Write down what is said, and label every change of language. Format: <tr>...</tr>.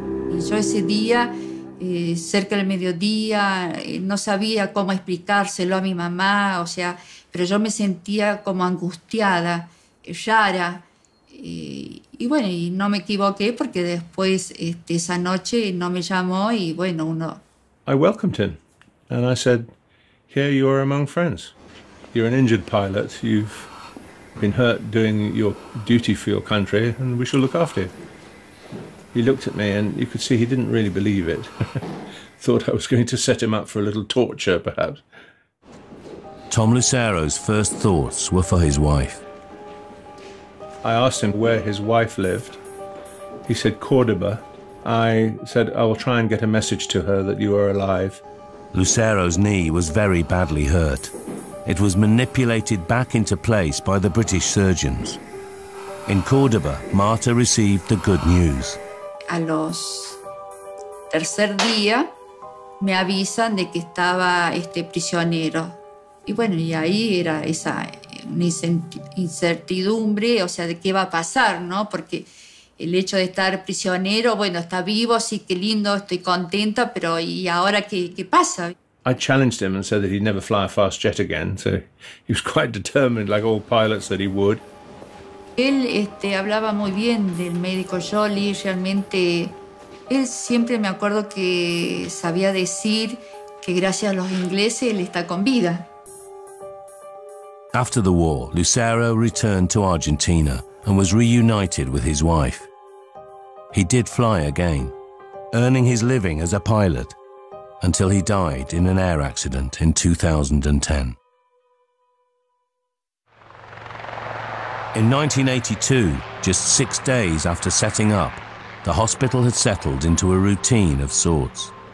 <es>Yo ese día, cerca del mediodía, no sabía cómo explicárselo a mi mamá, o sea, pero yo me sentía como angustiada, rara. Y bueno, y no me equivoqué porque después esa noche no me llamó y bueno, uno...</es> <en>I welcomed him and I said, here you are among friends. You're an injured pilot, you've been hurt doing your duty for your country and we shall look after you. He looked at me and you could see he didn't really believe it. Thought I was going to set him up for a little torture, perhaps. Tom Lucero's first thoughts were for his wife. I asked him where his wife lived. He said Cordoba. I said, I will try and get a message to her that you are alive. Lucero's knee was very badly hurt. It was manipulated back into place by the British surgeons. In Cordoba, Marta received the good news.</en> <es>A los tercer día me avisan de que estaba este prisionero. Y bueno, y ahí era esa incertidumbre, o sea, de qué va a pasar, ¿no? Porque el hecho de estar prisionero, bueno, está vivo, sí, qué lindo, estoy contenta, pero ¿y ahora qué pasa?</es> <en>I challenged him and said that he'd never fly a fast jet again, so he was quite determined, like all pilots, that he would.</en> <es>Él hablaba muy bien del médico Jolly, realmente él siempre me acuerdo que sabía decir que gracias a los ingleses él está con vida.</es> <en>After the war, Lucero returned to Argentina and was reunited with his wife. He did fly again, earning his living as a pilot until he died in an air accident in 2010. In 1982, just 6 days after setting up, the hospital had settled into a routine of sorts.</en>